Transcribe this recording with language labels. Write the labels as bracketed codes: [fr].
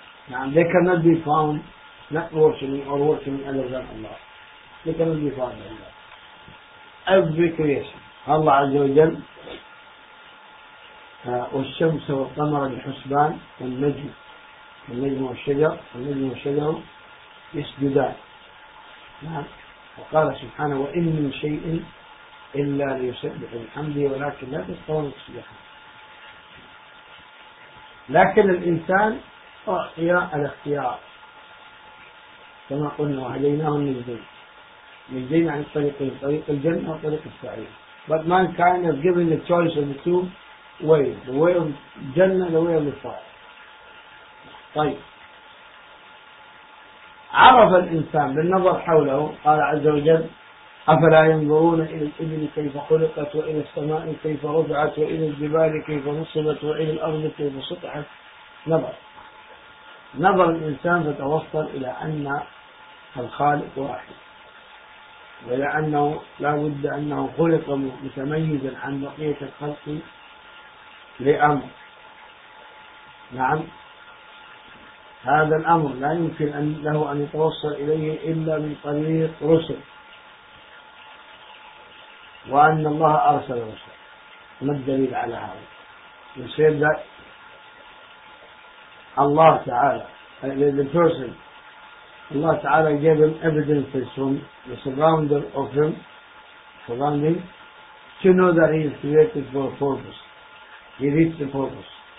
[en] Now, they cannot be found not worshiping or worshiping other than Allah. They cannot be found in Allah. Every creation. [ar] Allah Azza wa Jal والشمس والقمر بحسبان والنجم والشجر يسجدان. وقال سبحانه وإن من شيء إلا ليسبح بحمده ولكن لا تستطيعون تسبيحه. لكن الإنسان أعطي الاختيار كما قلنا وهديناه النجدين عن الطريقين، طريق الجنة وطريق السعير. [en] But mankind has given the choice of the two ways, the way of Jannah and the way of the fire. [ar] طيب عرف الإنسان بالنظر حوله. قال عز وجل أفلا ينظرون إلى الإبل كيف خلقت وإلى السماء كيف رفعت وإلى الجبال كيف نصبت وإلى الأرض كيف سطحت. نظر الإنسان فتوصل إلى أن الخالق واحد ولأنه لا بد أنه خلق متميزا عن بقية الخلق لأمر. نعم، هذا الأمر لا يمكن أن له أن يتوصل إليه إلا من طريق رسل، وأن الله أرسل رسل. ما الدليل على هذا؟ يصير ذلك الله تعالى [en] the person Allah Ta'ala gave him evidences from the surrounding of him surrounding to know that he is created for a purpose. He reached the purpose.